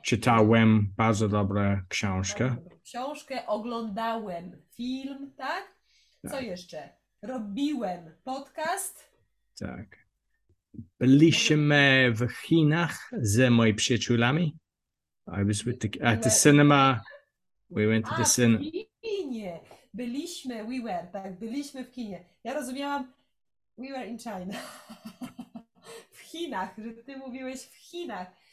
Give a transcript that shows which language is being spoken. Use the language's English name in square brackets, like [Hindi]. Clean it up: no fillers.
[Polish] Czytałem bardzo dobrą książkę. Bardzo dobrą książkę. Oglądałem film, tak? Co jeszcze? Robiłem podcast. Tak. Może powiedzieć. Byliśmy w Chinach z moimi przyjaciółami. [English] I was with the, at the cinema. We went to the [Polish] A, w [English] cinema. [Polish] kinie. Byliśmy, [English] we were, [Polish] tak? Byliśmy w kinie. Ja rozumiałam, [English] we were in China. [Polish] W Chinach, że ty mówiłeś w Chinach.